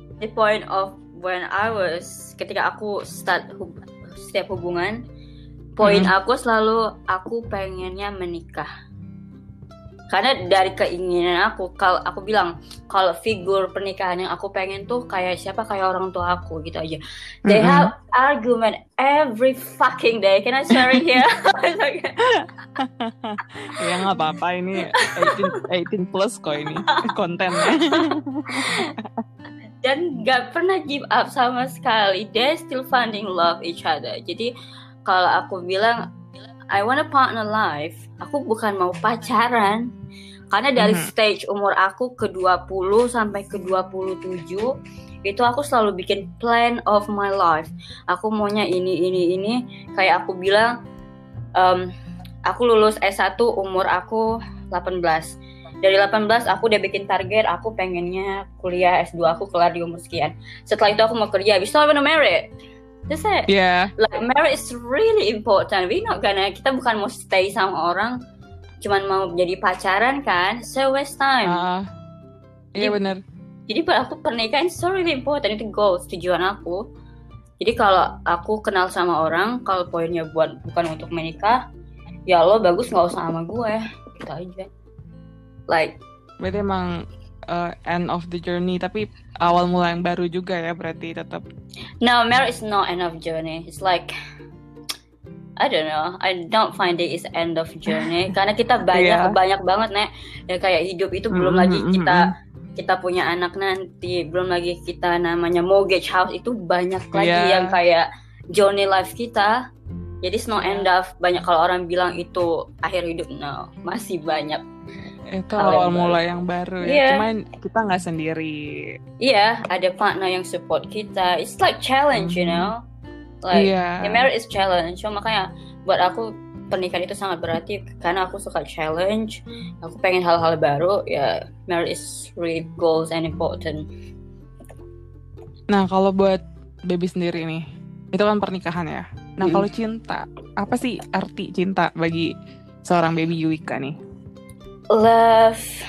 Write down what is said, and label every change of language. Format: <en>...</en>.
<en>The point of when I was,</en> <id>ketika aku start setiap hubungan, point aku selalu, aku pengennya menikah. Karena dari keinginan aku, kalau aku bilang kalau figur pernikahan yang aku pengen tuh kayak siapa, kayak orang tua aku gitu aja.</id> <en>They have argument every fucking day. Can I share it here?</en> <id>Ya nggak apa-apa, ini 18 plus kok ini kontennya. Dan nggak pernah</id> <en>give up</en> <id>sama sekali.</id> <en>They still finding love each other.</en> <id>Jadi kalau aku bilang</id> <en>I want a partner life,</en> <id>aku bukan mau pacaran. Karena dari stage umur aku ke 20 sampai ke 27, itu aku selalu bikin</id> <en>plan of my life.</en> <id>Aku maunya ini. Kayak aku bilang, aku lulus S1 umur aku 18. Dari 18 aku udah bikin target, aku pengennya kuliah S2 aku kelar di umur sekian. Setelah itu aku mau kerja, abis itu</id> <en>I'm gonna marry. That's it. Yeah. Like marriage is really important. We not gonna,</en> <id>kita bukan mau stay sama orang cuman mau jadi pacaran kan,</id> <en>so waste time.</en> <id>Iya benar. Jadi buat aku pernikahan</id> <en>so really important,</en> <id>itu goals, tujuan aku. Jadi kalau aku kenal sama orang, kalau poinnya buat bukan untuk menikah, ya lo bagus nggak usah sama gue, gitu aja.</id> <en>Like.</en> <id>Berarti emang</id> <en>end of the journey,</en> <id>tapi awal mula yang baru juga ya, berarti tetap.</id> <en>No, marriage is not end of journey. It's like, I don't know. I don't find it is end of journey.</en> <id>Karena kita banyak banyak banget, Nek. Ya kayak hidup itu belum lagi kita kita punya anak nanti, belum lagi kita namanya mortgage house, itu banyak lagi yang kayak journey life kita. Jadi</id> <en>it's not end of.</en> <id>Banyak kalau orang bilang itu akhir hidup, no. Masih banyak. Itu awal mula yang baru ya. Cuman kita enggak sendiri. Iya, ada partner yang support kita.</id> <en>It's like challenge, you know. Like, marriage is challenge.</en> <id>Cuma makanya buat aku pernikahan itu sangat berarti, karena aku suka challenge. Aku pengen hal-hal baru.</id> <en>Ya, marriage is really goals and important.</en> <id>Nah, kalau buat baby sendiri nih, itu kan pernikahan ya. Nah, kalau cinta, apa sih arti cinta bagi seorang baby Yuika nih?</id> <en>Love.</en>